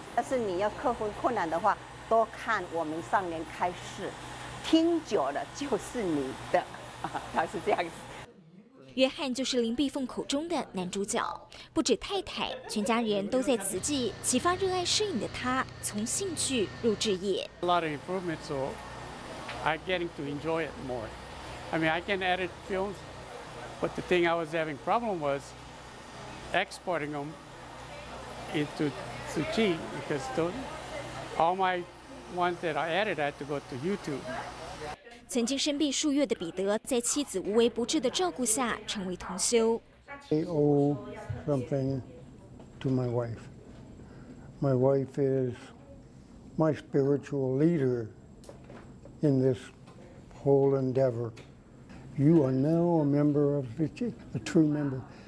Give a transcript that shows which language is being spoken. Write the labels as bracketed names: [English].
[Chinese] 但是你要克服困难的话，多看我们上联开示，听久了就是你的，他是这样子。约翰就是林碧凤口中的男主角，不止太太，全家人都在慈济启发热爱摄影的他，从兴趣入职业。 [English] A lot of improvement, so I'm getting to enjoy it more. I mean, I can edit films, but the thing I was having problem was exporting them into 慈济 because all my ones that I edit, I had to go to YouTube. [Chinese] 曾经生病数月的彼得，在妻子无微不至的照顾下，成为同修。 [English] I owe something to my wife. My wife is my spiritual leader in this whole endeavor. You are now a member of Vichy, a true member.